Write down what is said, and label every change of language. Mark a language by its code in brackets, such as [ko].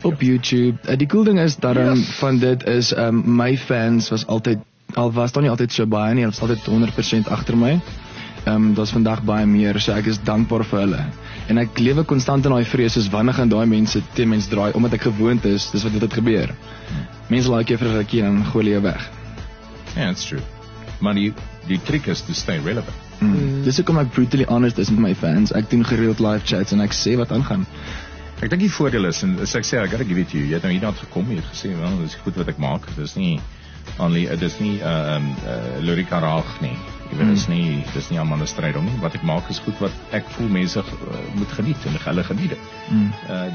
[af] je? Op YouTube. Die cool ding is, daarom van dit is, my fans was altyd, al was dan nie altyd so baie nie, al was altyd 100% achter my. Dat is vandag baie meer, so ek is dankbaar vir hulle. En ek lewe constant in die vrees, soos wanneer gaan die mense teen mens draai, omdat ek gewoond is, dis wat dit gebeur. Mense like jou vir 'n rukkie en gooi jou weg. [en] Ja, yeah, that's true. [af] Maar die [en] trick is to stay relevant. [af] Dis ook om ek [en] brutally honest [af] is met my fans. Ek doen gereeld live chats en ek sê wat aangaan. Ek dink die voordeel is, en as ek sê, [en] I gotta give it to you, [af] jy het nou hierna gekom, jy het gesê, wel, dis goed wat ek maak, dis nie Lurika Raag nie. Dis nie allemaal een strijd om nie. Wat ek maak is goed wat ek voel mense moet geniet en hulle geniet het.